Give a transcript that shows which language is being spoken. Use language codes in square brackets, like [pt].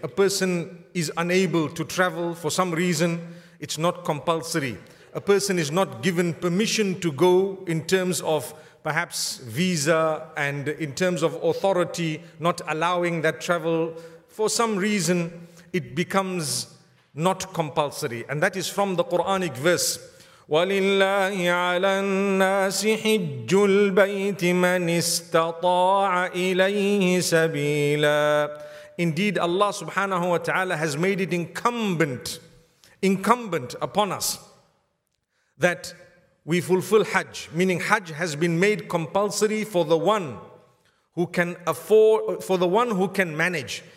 [en] A person is unable to travel for some reason, it's not compulsory. A person is not given permission to go in terms of perhaps visa and in terms of authority not allowing that travel, for some reason it becomes not compulsory. And that is from the Quranic verse, [ar] وَلِلَّهِ عَلَى النَّاسِ حِجُّ الْبَيْتِ مَنِ اسْتَطَاعَ إِلَيْهِ سَبِيلًا. [en] Indeed, Allah subhanahu wa ta'ala has made it incumbent upon us that we fulfill Hajj, meaning Hajj has been made compulsory for the one who can afford, for the one who can manage.